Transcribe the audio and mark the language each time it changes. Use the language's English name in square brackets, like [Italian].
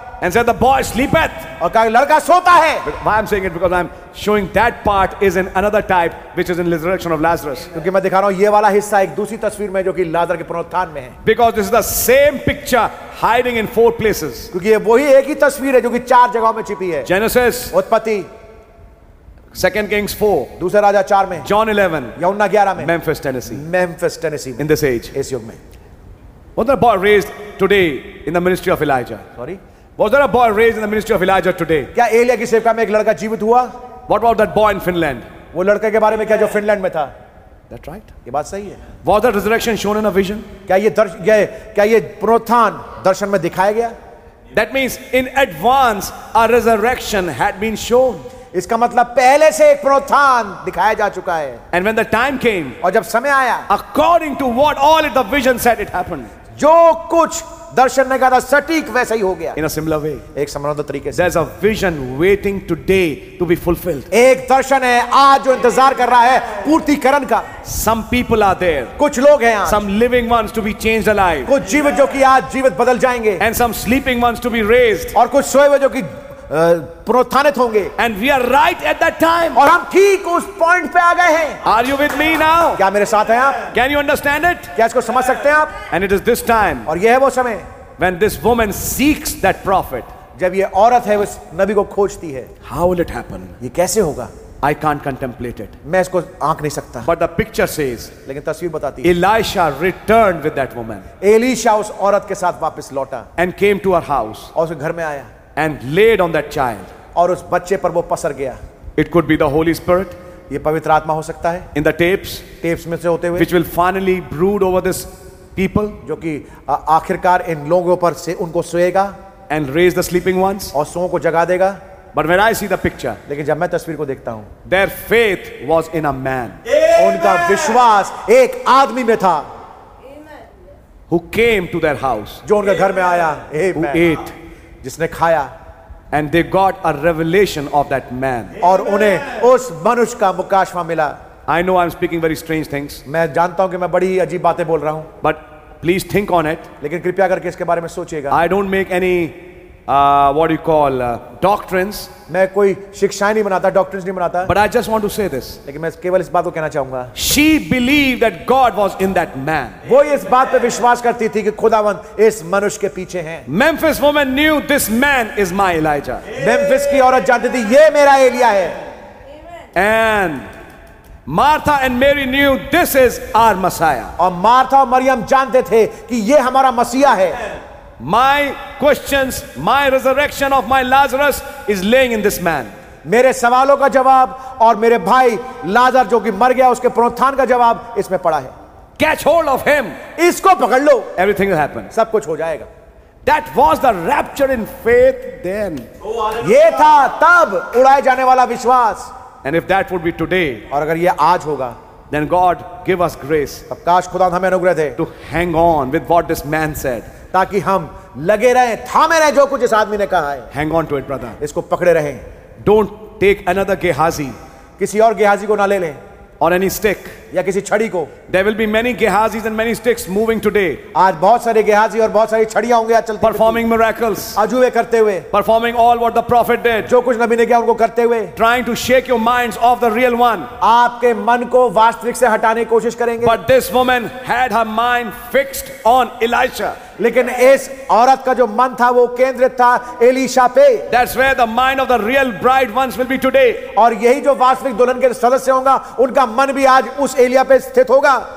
[English] and said the boy sleepeth, [Hindi] और कहा लड़का सोता है. [English] Why I'm saying it? Because I'm showing that part is in another type, which is in the resurrection of Lazarus. [Hindi] क्योंकि मैं दिखा रहा हूँ ये वाला हिस्सा एक दूसरी तस्वीर में जो कि लाजर के पुनरुत्थान में है. [English] Because this is the same picture hiding in four places. [Hindi] क्योंकि ये वही एक ही तस्वीर है जो कि चार जगहों में छिपी है. [English] Genesis, [Hindi] उत्पत्ति. [English] Second Kings 4. [Hindi] दूसरा राजा 4 में. [English] John 11. [Hindi] यूहन्ना 11 में. [English] Memphis, Tennessee. Memphis, Tennessee. In this age. [Hindi] इस युग में. [English] Was there a boy raised today in the ministry of Elijah? Sorry. Was there a boy raised in the ministry of Elijah today? [Hindi] क्या एलिया की सेवका में एक लड़का जीवित हुआ? [English] What about that boy in Finland? [Hindi] वो लड़के के बारे में क्या जो फिनलैंड में था? [English] That's right. [Hindi] ये बात सही है. [English] Was the resurrection shown in a vision? [Hindi] क्या ये पुनरुत्थान दर्शन में दिखाया गया? [English] That means in advance a resurrection had been shown. [Hindi] इसका मतलब पहले से एक प्रोत्थान दिखाया जा चुका है. [English] And when the time came, [Hindi] और जब समय आया, [English] according to what all the vision said it happened, [Hindi] जो कुछ दर्शन ने कहा था सटीक वैसा ही हो गया. [English] In a similar way, [Hindi] एक समान तरीके से. [English] There's a vision waiting today to be fulfilled. [Hindi] एक दर्शन है आज जो इंतजार कर रहा है पूर्तिकरण का. [English] Some people are there, [Hindi] कुछ लोग हैं. [English] Some living ones to be changed alive, [Hindi] कुछ जीवित जो कि आज जीवित बदल जाएंगे. [English] And some sleeping ones to be raised, [Hindi] और कुछ सोए हुए जो कि प्रोत्थानित होंगे. [English] And we are right at that time. [Hindi] और हम ठीक उस पॉइंट पे आ गए हैं. [English] Are you with me now? [Hindi] क्या मेरे साथ हैं आप? [English] Can you understand it? [Hindi] क्या इसको समझ सकते हैं आप? [English] And it is this time. [Hindi] और ये है वो समय. [English] When this woman seeks that prophet. [Hindi] जब ये औरत है उस नबी को खोजती है. [English] How will it happen? [Hindi] ये कैसे होगा? [English] I can't contemplate it. [Hindi] मैं इसको आंक नहीं सकता. [English] But the picture says. [Hindi] लेकिन तस्वीर बताती है. [English] Elisha returned with that woman. [Hindi] Elisha उस औरत के साथ वापस लौटा. [English] And came to her house. [Hindi] और उसके घर में आया. [English] And laid on that child. [Hindi] और उस बच्चे पर वो पसर गया. [English] It could be the Holy Spirit. [Hindi] ये पवित्र आत्मा हो सकता है. [English] In the tapes. [Hindi] टेप्स में से होते हुए. [English] Which will finally brood over this people. [Hindi] जो कि आखिरकार इन लोगों पर से उनको सोएगा. [English] And raise the sleeping ones. [Hindi] और सोओं को जगा देगा. [English] But when I see the picture. [Hindi] लेकिन जब मैं तस्वीर को देखता हूँ. [English] Their faith was in a man. [Hindi] उनका विश्वास एक आदमी में था. [English] Who came to their house. [Hindi] जो उनके घर में आया. [English] Who ate. [Hindi] जिसने खाया. [English] And they got a revelation of that man. [Hindi] और उन्हें उस मनुष्य का मुकाशवा मिला. [English] I know I'm speaking very strange things. [Hindi] मैं जानता हूं कि मैं बड़ी अजीब बातें बोल रहा हूं. [English] But please think on it. [Hindi] लेकिन कृपया करके इसके बारे में सोचिएगा. [English] I don't make any what you call doctrines. [Hindi] मैं कोई शिक्षाएं नहीं बनाता, doctrines नहीं बनाता. [English] But I just want to say this. [Hindi] लेकिन मैं केवल इस बात को कहना चाहूंगा. [English] She believed that God was in that man. [Hindi] वो इस बात पे विश्वास करती थी कि खुदावंत इस मनुष्य के पीछे हैं. [English] Memphis woman knew this man is my Elijah. [Hindi] Memphis की औरत जानती थी ये मेरा एलिया है. [English] And Martha and Mary knew this is our Messiah. [Hindi] और मार्था और मरियम जानते थे कि ये हमारा मसीहा है. [English] My questions, my resurrection of my Lazarus is laying in this man. [Hindi] मेरे सवालों का जवाब और मेरे भाई लाजर जो कि मर गया उसके पुनरुत्थान का जवाब इसमें पड़ा है. [English] Catch hold of him. [Hindi] इसको पकड़ लो. [English] Everything will happen. [Hindi] सब कुछ हो जाएगा. [English] That was the rapture in faith then. [Hindi] ये था तब उड़ाए जाने वाला विश्वास. [English] And if that would be today. [Hindi] और अगर ये आज होगा. [English] Then God give us grace. [Hindi] अब काश खुदा हमें अनुग्रह दे. [English] To hang on with what this man said. [Hindi] ताकि हम लगे रहें, थामे रहें जो कुछ इस आदमी ने कहा है. [English] Hang on to it, brother. [Hindi] इसको पकड़े रहें. [English] Don't take another Gehazi. [Hindi] किसी और गेहाजी को ना ले लें. [English] or any stick. [Hindi] या किसी छड़ी को. [English] There will be many Gehazis and many sticks moving today. [Hindi] आज बहुत सारे गेहाजी और बहुत सारी छड़ियाँ होंगे आज चलते. [English] Performing miracles. [Hindi] अजूबे करते हुए. [English] Performing all what the prophet did. [Hindi] जो कुछ नबी ने किया उनको करते हुए. [English] Trying to shake your minds off the real one. [Hindi] आपके मन को वास्तविक से हटाने की कोशिश करेंगे. [English] But this woman had her mind fixed on Elisha. [Hindi] लेकिन इस औरत का जो मन था वो केंद्रित था एलीशा पे. [English] That's where the mind of the real bride ones will be today. [Hindi] और यही जो वास्तविक दुल्हन के सदस्य होगा उनका मन भी आज उस एलिया पे स्थित होगा.